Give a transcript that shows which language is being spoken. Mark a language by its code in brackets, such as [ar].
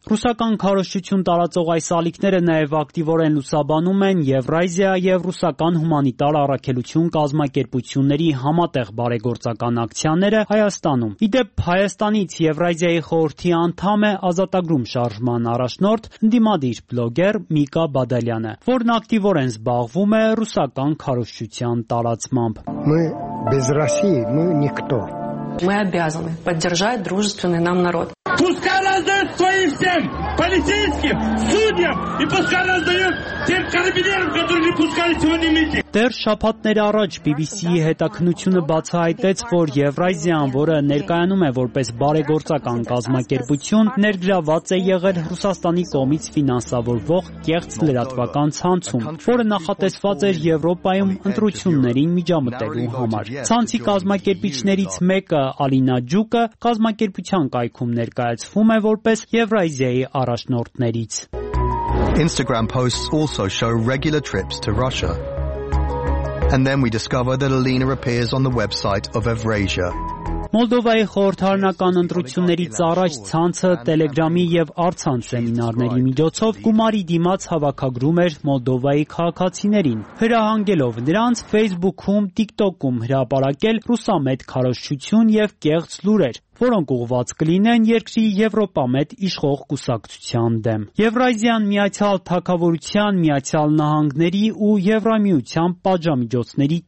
[hy] Ռուսական քարոշչություն տարածող այս ալիքները նաեւ ակտիվորեն լուսաբանում են Եվրազիա եւ ռուսական հումանիտար առաքելություն կազմակերպությունների համատեղ բարեգործական ակցիաները Հայաստանում։ Իդեպ Հայաստանից Եվրազիայի խորհրդի անդամ է ազատագրում շարժման առաջնորդ ընդդիմադիր բլոգեր Միկա Բադալյանը, որն ակտիվորեն զբաղվում է ռուսական քարոշչության տարածքով։ [ru] Мы без России, мы никто. Мы обязаны поддержать дружественный нам народ. Пускай раздают своим всем полицейским, судьям и пускай раздают тем карабинерам, которые не пускали сегодня митинг. [hy] Դեր շաբաթներ առաջ BBC-ի հետաքնությունը բացահայտեց, որ Եվրազիան, որը ներկայանում է որպես բարեգործական կազմակերպություն, ներգրաված է եղել Ռուսաստանի կողմից ֆինանսավորվող կեղծ լրատվական ցանցում, որը նախատեսված էր Եվրոպայում ընտրություններին միջամտելու համար։ Ցանցի կազմակերպիչներից մեկը, Ալինա Ջուկը, կազմակերպության կայքում ներկայացվում է որպես Եվրազիայի առաջնորդներից։ [en] Instagram posts also show regular trips to Russia. And then we discover that Alina appears on the website of Evrasia. [hy] Մոլդովայի խորհրդարանական ընտրություններից առաջ ցանցը Telegram-ի եւ Artsan սեմինարների միջոցով գումարի դիմաց հավաքագրում էր Մոլդովայի քաղաքացիներին, հրահանգելով նրանց Facebook-ում, TikTok-ում հրապարակել ռուսամետ քարոշչություն եւ կեղծ լուրեր, որոնք ուղված կլինեն երկրի Եվրոպամետ իշխող կուսակցության դեմ։ Եվրազիան Միացյալ Թագավորության, Միացյալ Նահանգների ու Եվրամիության պատժամիջոցների